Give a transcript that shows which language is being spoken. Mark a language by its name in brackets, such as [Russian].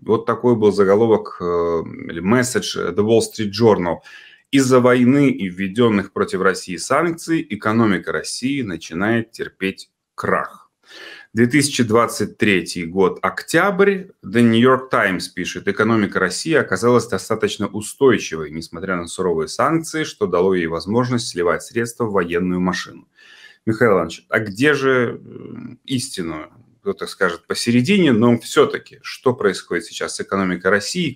[Ukrainian] От такий був заголовок, меседж The Wall Street Journal. Із-за війни і введених проти Росії санкцій економіка Росії починає терпіти крах. [Russian] 2023 год, октябрь, The New York Times пишет, экономика России оказалась достаточно устойчивой, несмотря на суровые санкции, что дало ей возможность сливать средства в военную машину. Михаил Иванович, а где же истину? Кто-то скажет посередине, но все-таки, что происходит сейчас с экономикой России?